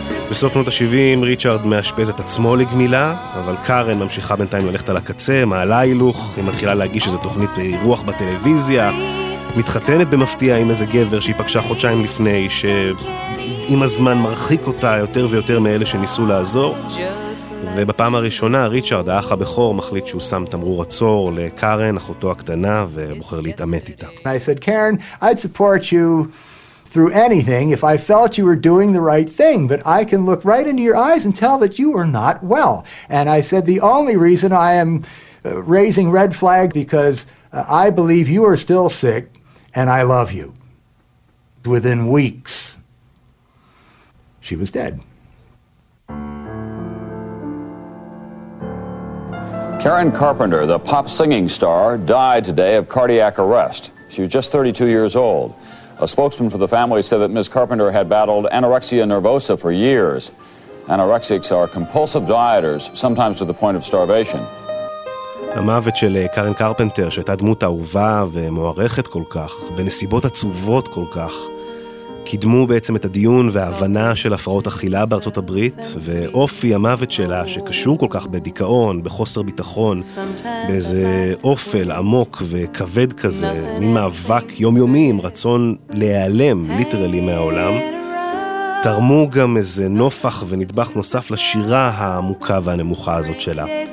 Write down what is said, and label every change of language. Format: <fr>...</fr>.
<he>בסוף שנות ה-70, ריצ'ארד מאשפז את עצמו לגמילה, אבל קארן ממשיכה בינתיים ללכת על הקצה, מעלה הילוך, היא מתחילה להגיש איזו תוכנית רוח בטלוויזיה, מתחתנת במפתיע עם איזה גבר שהיא פגשה חודשיים לפני, שעם הזמן מרחיק אותה יותר ויותר מאלה שניסו לעזור, ו... ובפעם הראשונה ריצ'רד, האח הבכור, מחליט שהוא שם תמרור עצור לקארן, אחותו הקטנה, ובוחר להתעמת איתה.</he> <en>I said, Karen, I'd support you through anything if I felt you were doing the right thing, but I can look right into your eyes and tell that you are not well. And I said, the only reason I am raising red flag because I believe you are still sick and I love you. Within weeks, she was dead. Karen Carpenter, the pop singing star, died today of cardiac arrest. She was just 32 years old. A spokesman for the family said that Ms. Carpenter had battled anorexia nervosa for years. Anorexics are compulsive dieters, sometimes to the point of starvation.</en> <he>המוות של קארן קרפנטר, שהייתה דמות אהובה ומוערכת כל כך, בנסיבות עצובות כל כך, קידמו בעצם את הדיון וההבנה של הפרעות אכילה בארצות הברית, ואופי המוות שלה, שקשור כל כך בדיכאון, בחוסר ביטחון, באיזה אופל עמוק וכבד כזה, ממאבק יומיומי עם רצון להיעלם ליטרלי מהעולם, תרמו גם איזה נופח ונדבח נוסף לשירה העמוקה והנמוכה הזאת שלה.</he>